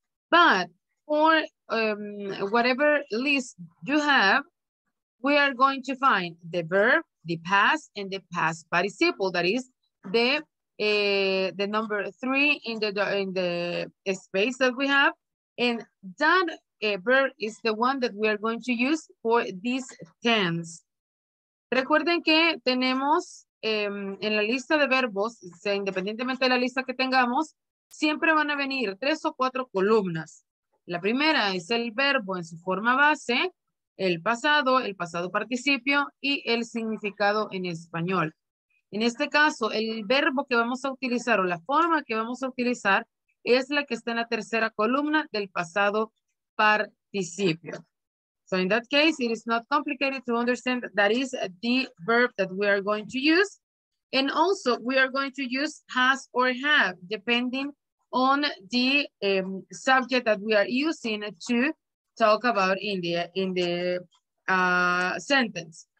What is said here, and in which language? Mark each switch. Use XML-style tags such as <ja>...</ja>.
<en>But for whatever list you have, we are going to find the verb, the past, and the past participle, that is the number three in the space that we have, and that a verb is the one that we are going to use for this tense.</en> <es>Recuerden que tenemos en la lista de verbos, sea, independientemente de la lista que tengamos, siempre van a venir tres o cuatro columnas. La primera es el verbo en su forma base, el pasado participio y el significado en español. En este caso, el verbo que vamos a utilizar o la forma que vamos a utilizar es la que está en la tercera columna del pasado participio.</es> <en>So in that case, it is not complicated to understand that is the verb that we are going to use. And also we are going to use has or have, depending on the subject that we are using to talk about in the sentence.</en>